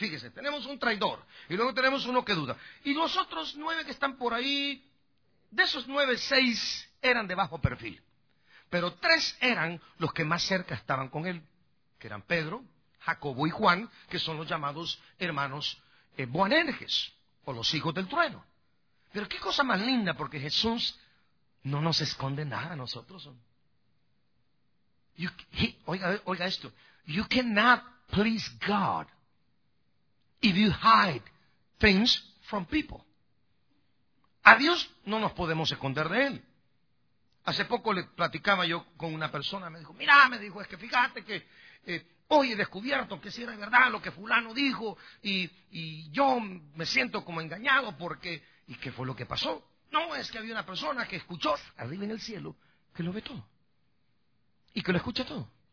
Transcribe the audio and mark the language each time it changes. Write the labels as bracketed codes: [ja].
[es] Fíjese, tenemos un traidor y luego tenemos uno que duda. Y los otros 9 que están por ahí, de esos 9, 6 eran de bajo perfil, pero 3 eran los que más cerca estaban con él, que eran Pedro, Jacobo y Juan, que son los llamados hermanos Boanerges, o los hijos del trueno. Pero qué cosa más linda, porque Jesús no nos esconde nada a nosotros. Oiga esto, [en] you cannot please God if you hide things from people. [es] A Dios no nos podemos esconder de Él. Hace poco le platicaba yo con una persona, me dijo, mira, me dijo, es que fíjate que hoy he descubierto que si era verdad lo que fulano dijo y yo me siento como engañado porque, ¿y qué fue lo que pasó? No, es que había una persona que escuchó, arriba en el cielo, que lo ve todo y que lo escucha todo.